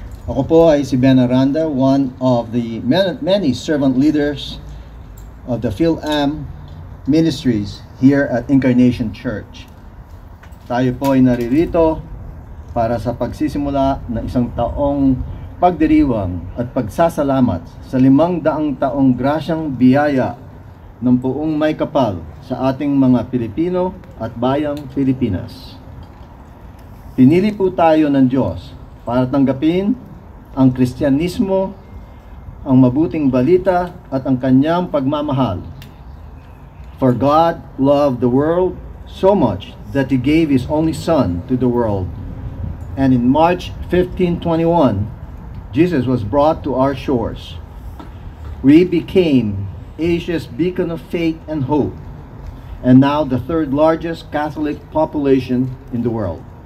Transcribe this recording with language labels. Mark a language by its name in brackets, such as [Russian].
[Filipino] Ako po ay si Ben Aranda, [English] one of the many servant leaders of the PhilAm Ministries here at Incarnation Church. [Filipino] Tayo po ay naririto para sa pagsisimula ng isang taong pagdiriwang at pagsasalamat sa 500 taong grasyang biyaya ng buong may kapal sa ating mga Pilipino at bayang Pilipinas. Pinili po tayo ng Diyos para tanggapin ang Kristyanismo, ang mabuting balita at ang kanyang pagmamahal. [English] For God loved the world so much that He gave His only Son to the world. And in March 1521, Jesus was brought to our shores. We became Asia's beacon of faith and hope, and now the third largest Catholic population in the world.